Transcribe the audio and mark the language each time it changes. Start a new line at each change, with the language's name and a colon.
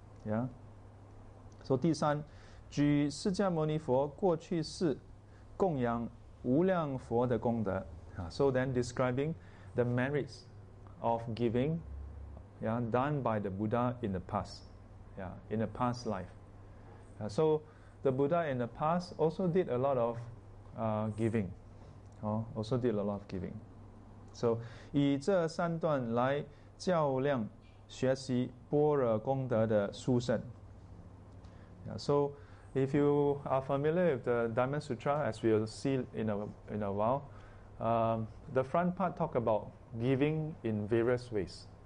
Chinese: Yeah. So 第三, 举释迦牟尼佛过去世供养无量佛的功德,
English: so then describing the merits of giving, yeah, done by the Buddha in the past, yeah, in the past life. So the Buddha in the past also did a lot of giving. Also did a lot of giving.
Chinese: So 以这三段来较量学习般若功德的殊胜。
English: Yeah, so if you are familiar with the Diamond Sutra, as we will see in a while, the front part talk about giving in various ways.